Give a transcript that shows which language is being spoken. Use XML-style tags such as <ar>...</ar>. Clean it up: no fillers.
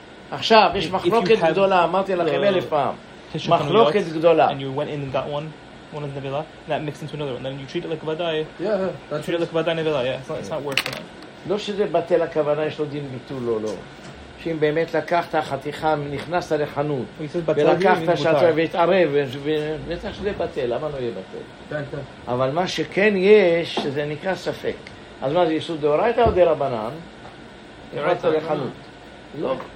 <he>עכשיו, יש מחלוקת גדולה, אמרתי לכם אלף פעם. מחלוקת גדולה.</he> <en>And you went in and got one? One of the nevela, that mixed into another one. Then you treat it like a vadai. Yeah. You treat it like a vadai nevela, yeah. It's not worse than that.</en> <he>לא שזה בטל הכוונה, יש לו דין ביטול, לא, לא. שאם באמת לקחת החתיכה, נכנסת לחנות, ולקחת שאתה והתערב, ובטח שזה בטל, למה לא יהיה בטל? כן, כן. אבל מה שכן יש, זה נקרא ספק. אז מה זה, יסוד דאורייתא או דרבנן? דאורייתא לחנות. לא.</he>